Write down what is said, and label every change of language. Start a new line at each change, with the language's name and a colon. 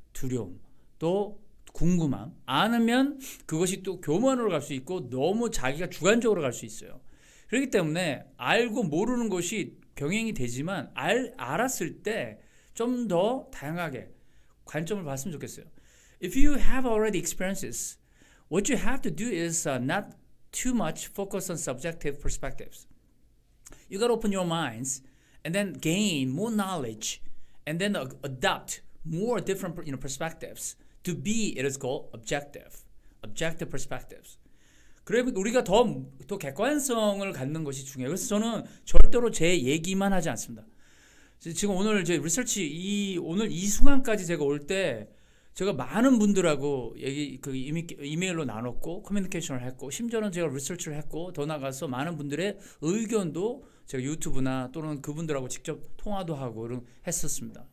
Korean: 두려움, 또 궁금함. 아니면 그것이 또 교만으로 갈수 있고 너무 자기가 주관적으로 갈수 있어요. 그렇기 때문에 알고 모르는 것이 병행이 되지만 알았을 때좀더 다양하게 관점을 봤으면 좋겠어요.
English: If you have already experiences, what you have to do is not too much focus on subjective perspectives. You got to open your minds and then gain more knowledge and then adopt more different, perspectives to be, it is called objective perspectives.
Korean: 그래, 우리가 더 객관성을 갖는 것이 중요해요. 그래서 저는 절대로 제 얘기만 하지 않습니다. 지금 오늘 저희 리서치, 오늘 이 순간까지 제가 올 때, 제가 많은 분들하고 이메일로 나눴고, 커뮤니케이션을 했고, 심지어는 제가 리서치를 했고, 더 나가서 많은 분들의 의견도 제가 유튜브나 또는 그분들하고 직접 통화도 하고, 이런 했었습니다.